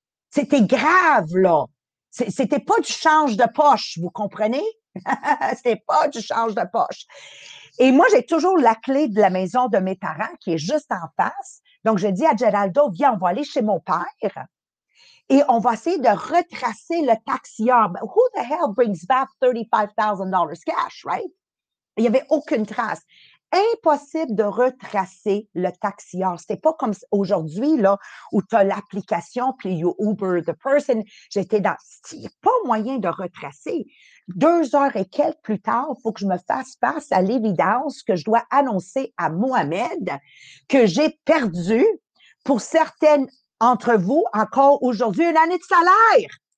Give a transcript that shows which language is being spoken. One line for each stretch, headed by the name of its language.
French: C'était grave, là. C'était pas du change de poche, vous comprenez? C'était pas du change de poche. Et moi, j'ai toujours la clé de la maison de mes parents qui est juste en face. Donc, je dis à Geraldo, viens, on va aller chez mon père et on va essayer de retracer le taxi-homme.
English: But who the hell brings back $35,000 cash, right?
French: Il y avait aucune trace. Impossible de retracer le taxi-homme. C'était pas comme aujourd'hui, là, où tu as l'application, puis
English: you Uber the person.
French: J'étais dans... Il n'y a pas moyen de retracer. 2 heures et quelques plus tard, faut que je me fasse face à l'évidence que je dois annoncer à Mohamed que j'ai perdu, pour certaines entre vous, encore aujourd'hui, une année de salaire.